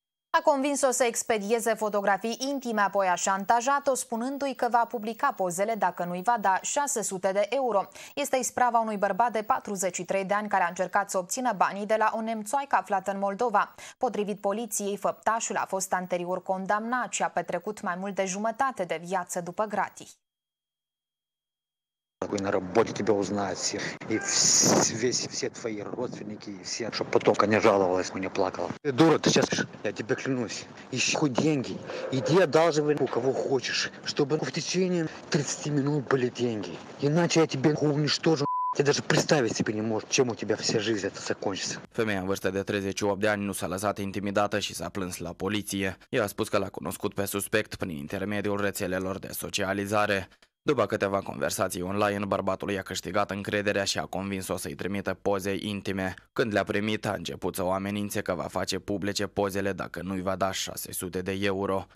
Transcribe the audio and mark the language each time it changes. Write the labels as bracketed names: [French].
[Romanian] A convins-o să expedieze fotografii intime, apoi a șantajat-o, spunându-i că va publica pozele dacă nu-i va da 600 de euro. Este isprava unui bărbat de 43 de ani care a încercat să obțină banii de la o nemțoaică aflată în Moldova. Potrivit poliției, făptașul a fost anterior condamnat și a petrecut mai mult de jumătate de viață după gratii. [Russian] Такой на работе тебя узнают все. И все твои родственники, и все. Чтоб потом ко мне жаловалась, мне плакала. Ты дура, ты сейчас пишешь. Я тебе клянусь. Ищи хоть деньги. Иди одалживай у кого хочешь. Чтобы в течение 30 минут были деньги. Иначе я тебе уничтожу. Я даже представить себе не могу, чем у тебя вся жизнь эта закончится. [Romanian] Femeia în vârstă de 38 de ani nu s-a lăsat intimidată și s-a plâns la poliție. Ea a spus că l-a cunoscut pe suspect prin intermediul rețelelor de socializare. După câteva conversații online, bărbatul i-a câștigat încrederea și a convins-o să-i trimită poze intime. Când le-a primit, a început să o amenințe că va face publice pozele dacă nu-i va da 600 de euro.